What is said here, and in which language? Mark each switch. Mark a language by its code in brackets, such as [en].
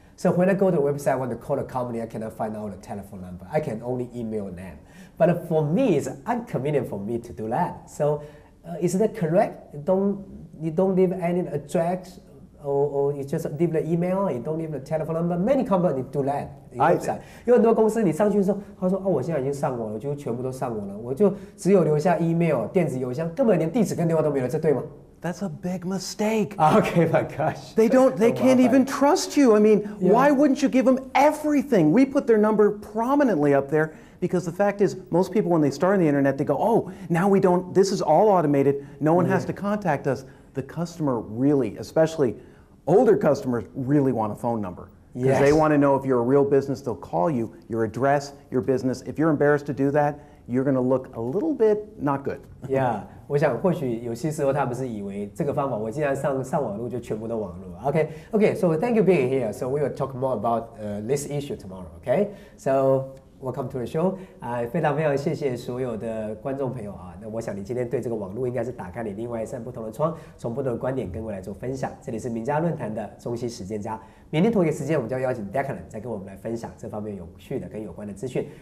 [en] So when I go to the website, I want to call the company, I cannot find out the telephone number. I can only email them. But for me, it's inconvenient for me to do that. So is that correct? You don't leave any address, or you just leave the email, you don't leave the telephone number? Many companies do that. Website. [zh] 很多公司你上去的时候，他说，我现在已经上网了，我就全部都上网了，我就只有留下 email, 电子邮箱，根本连地址跟电话都没有，这对吗？ [en] That's a big mistake. Okay, my gosh. They can't even trust you. I mean, Why wouldn't you give them everything? We put their number prominently up there because the fact is, most people, when they start on the internet, they go, now we don't, this is all automated. No one has to contact us. The customer really, especially older customers, really want a phone number. Because they want to know if you're a real business, they'll call you, your address, your business. If you're embarrassed to do that, you're going to look a little bit not good. Yeah. [zh] 我想或许有些时候他们是以为这个方法，我既然上网路就全部都网路。 [en] OK, so thank you being here. So we will talk more about this issue tomorrow. OK, so welcome to the show. [zh] 非常非常谢谢所有的观众朋友啊。那我想你今天对这个网路应该是打开你另外一扇不同的窗，从不同的观点跟我来做分享。这里是名家论坛的中西实践家。明天同一个时间，我们就要邀请 Declan 再跟我们来分享这方面有趣的跟有关的资讯。